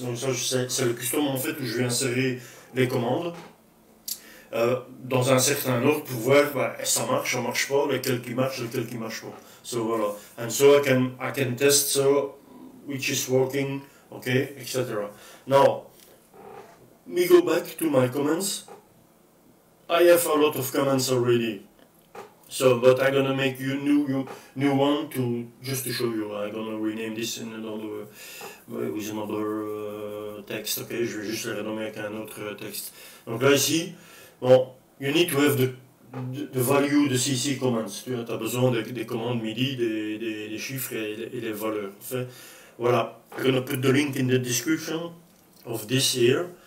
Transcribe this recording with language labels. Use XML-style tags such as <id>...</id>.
<fr>Donc ça, c'est le custom en fait où je vais insérer les commandes dans un certain ordre pour voir bah, ça marche, ça marche pas, lequel qui marche, lequel qui marche pas. So voilà.</fr> <en>And so I can test so which is working, okay, etc. Now, me go back to my comments. I have a lot of comments already. So, but I'm gonna make you new one to just to show you. I'm gonna rename this in another with another text.</en> <fr>Okay, je vais juste le renommer avec un autre texte. Donc là ici, bon,</fr> <en>you need to have the value</en> <fr>de CC commands. Tu as besoin des commandes MIDI, des chiffres et des valeurs. En fait, voilà.</fr> <en>I'm gonna put the link in the description of this here.</en>